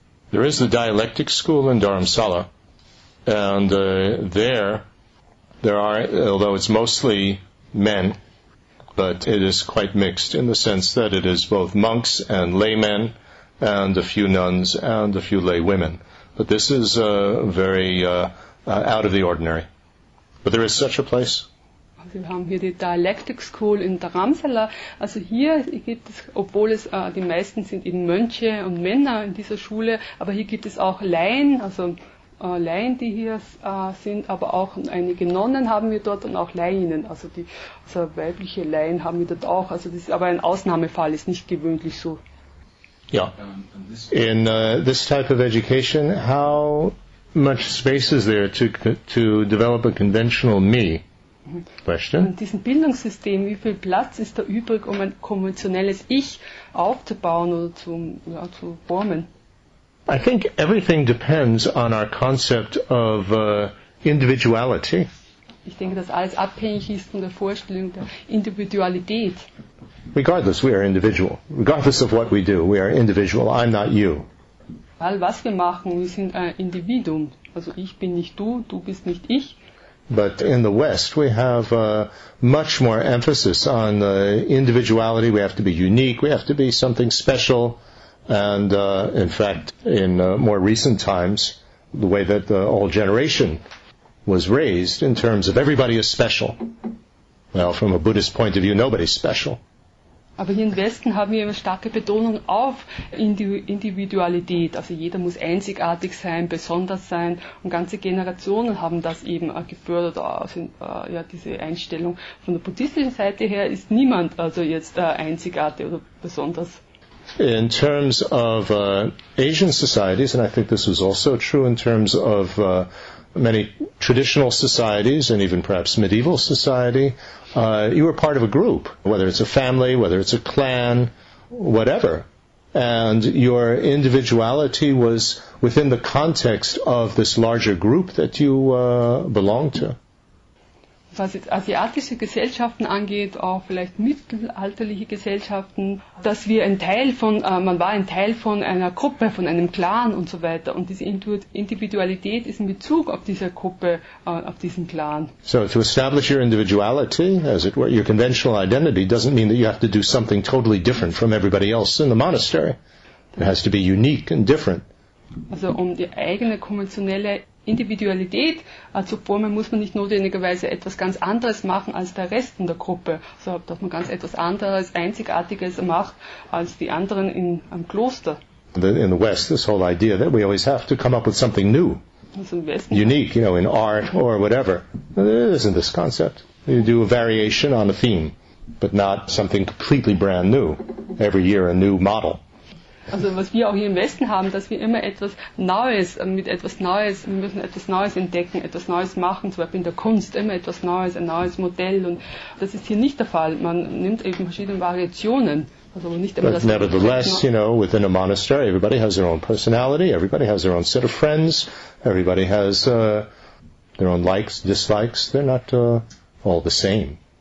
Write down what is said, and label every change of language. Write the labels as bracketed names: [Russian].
[English] There is the dialectic school in Dharamsala, and there are, although it's mostly men, but it is quite mixed in the sense that it is both monks and laymen, and a few nuns and a few lay women. But this is very out of the ordinary. But there is such a place. [German] Wir haben hier die Dialectic School in Dharamsala. Also hier gibt es, obwohl es die meisten sind eben Mönche und Männer in dieser Schule, aber hier gibt es auch Laien, also Laien, die hier sind, aber auch einige Nonnen haben wir dort und auch Laien, also weibliche Laien haben wir dort auch. Also das ist aber ein Ausnahmefall, ist nicht gewöhnlich so. [English] Ja, in this type of education, how much space is there to develop a conventional me? [German] In diesem Bildungssystem, wie viel Platz ist da übrig, um ein konventionelles Ich aufzubauen oder zu formen? [English] I think everything depends on our concept of individuality. [German] Ich denke, dass alles abhängig ist von der Vorstellung der Individualität. [English] Regardless, we are individual. Regardless of what we do, we are individual. I'm not you. [German] All was wir machen, wir sind ein Individuum. Also ich bin nicht du, du bist nicht ich. [English] But in the West, we have much more emphasis on individuality. We have to be unique. We have to be something special. And in fact, in more recent times, the way that the old generation was raised in terms of everybody is special. Well, from a Buddhist point of view, nobody's special. [German] Aber hier im Westen haben wir eine starke Betonung auf Individualität. Also jeder muss einzigartig sein, besonders sein. Und ganze Generationen haben das eben gefördert. Also, ja, diese Einstellung von der buddhistischen Seite her ist niemand also jetzt einzigartig oder besonders. [English] In terms of Asian societies, and I think this is also true in terms of many traditional societies and even perhaps medieval society, you were part of a group, whether it's a family, whether it's a clan, whatever. and your individuality was within the context of this larger group that you belong to. [German] Was jetzt asiatische Gesellschaften angeht, auch vielleicht mittelalterliche Gesellschaften, dass wir ein Teil von, man war ein Teil von einer Gruppe, von einem Clan und so weiter. Und diese Individualität ist in Bezug auf diese Gruppe, auf diesen Clan. [English] So to establish your individuality, as it were, your conventional identity, doesn't mean that you have to do something totally different from everybody else in the monastery. It has to be unique and different. [German] Also um die eigene konventionelle Individualität zu formen, muss man nicht notwendigerweise etwas ganz anderes machen als der Rest in der Gruppe. So, dass man ganz etwas anderes, Einzigartiges macht als die anderen im Kloster. [English] In the West, this whole idea that we always have to come up with something new. [German] Also im Westen. [English] Unique, you know, in art or whatever. There isn't this concept. You do a variation on a theme, but not something completely brand new. Every year a new model. [German] Also was wir auch hier im Westen haben, dass wir immer etwas Neues, mit etwas Neues, wir müssen etwas Neues entdecken, etwas Neues machen, zum Beispiel in der Kunst immer etwas Neues, ein neues Modell. Und das ist hier nicht der Fall. Man nimmt eben verschiedene Variationen. Also nicht immer [English] But [German] das [English] nevertheless, you know, within a monastery, everybody has their own personality, everybody has their own set of friends, everybody has their own likes, dislikes, they're not all the same.